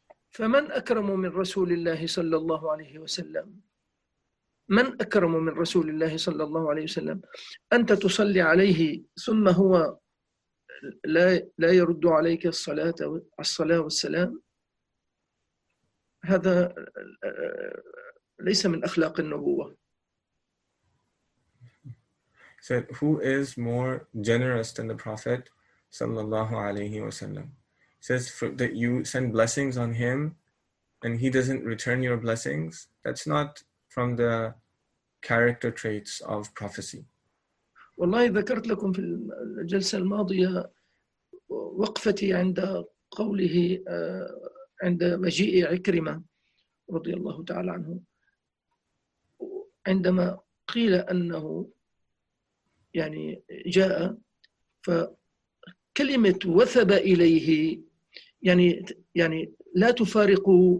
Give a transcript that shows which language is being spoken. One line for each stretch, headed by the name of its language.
Arabic: فمن أكرم من رسول الله صلى الله عليه وسلم؟ من أكرم من رسول الله صلى الله عليه وسلم؟ أنت تصلي عليه ثم هو لا يرد عليك الصلاة والسلام؟ هذا ليس من أخلاق النبوة.
English: Said, who is more generous than the Prophet sallallahu alayhi wa sallam? Says that you send blessings on him and he doesn't return your blessings. That's not from the character traits of prophecy.
Arabic: والله ذكرت لكم في الجلسة الماضية وقفتي عند قوله عند مجيء عكرمة رضي الله تعالى عنه عندما قيل أنه يعني جاء فكلمة وثب إليه يعني لا تفارق